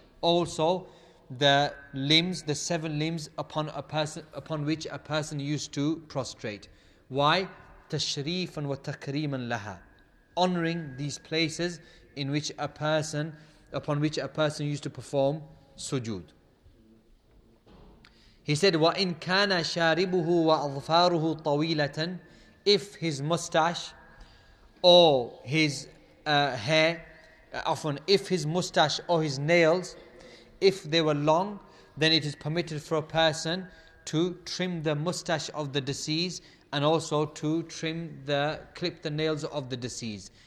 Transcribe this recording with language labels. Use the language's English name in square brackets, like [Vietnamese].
[English] Also, the limbs, the 7 limbs upon a person, upon which a person used to prostrate. Why? [Arabic] تَشْرِيفًا وَتَكْرِيمًا لَهَا. [English] Honoring these places in which a person, upon which a person used to perform sujood. He said, [Arabic] وَإِن كَانَ شَارِبُهُ وَأَظْفَارُهُ طَوِيلَةً. [English] If his mustache or his hair, often if his mustache or his nails, if they were long, then it is permitted for a person to trim the mustache of the deceased and also to trim the, clip the nails of the deceased.